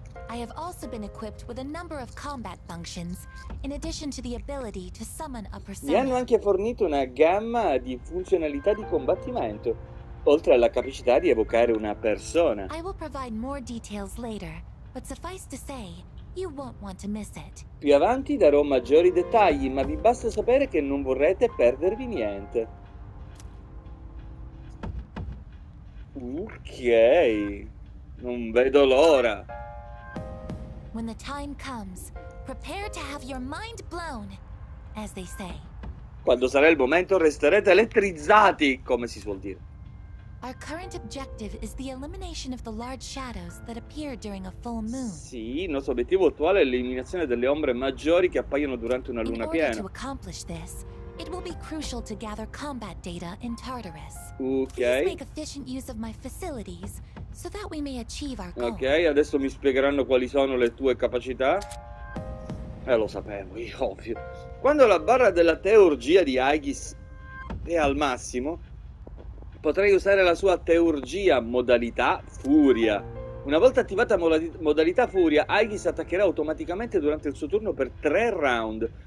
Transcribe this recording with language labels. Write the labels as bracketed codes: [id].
[en] I have also been equipped with a number of combat functions, in addition to the ability to summon a persona. [it] Mi hanno anche fornito una gamma di funzionalità di combattimento, oltre alla capacità di evocare una persona. [en] I will provide more details later, but suffice to say, you won't want to miss it. [it] Più avanti darò maggiori dettagli, ma vi basta sapere che non vorrete perdervi niente. Ok, non vedo l'ora. [en] When the time comes, prepare to have your mind blown, as they say. [it] Quando sarà il momento, resterete elettrizzati, come si suol dire. [en] Our current objective is the elimination of the large shadows that appear during a full moon. [it] Sì, il nostro obiettivo attuale è l'eliminazione delle ombre maggiori che appaiono durante una luna piena. [en] In order to accomplish this, it will be crucial to gather combat data in Tartarus. Okay. Please make efficient use of my facilities so that we may achieve our goal. [it] Okay, adesso mi spiegheranno quali sono le tue capacità. Lo sapevo, io ovvio. Quando la barra della teurgia di Aegis è al massimo, potrei usare la sua teurgia modalità furia. Una volta attivata modalità furia, Aegis attaccherà automaticamente durante il suo turno per 3 round.